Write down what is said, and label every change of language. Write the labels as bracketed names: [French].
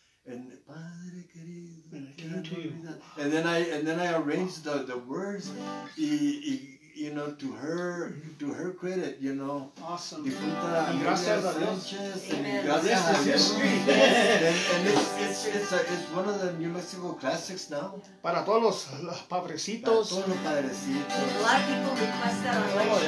[English] And Padre querido, and then I arranged the words, you know, to her credit, you know. Awesome. [Spanish] Difunta gracias a Sanchez, gracias a Dios. [English] And it's one of the New Mexico classics now. [Spanish] Para todos los padrecitos. Para todos los padrecitos. [English] A lot of people request that on my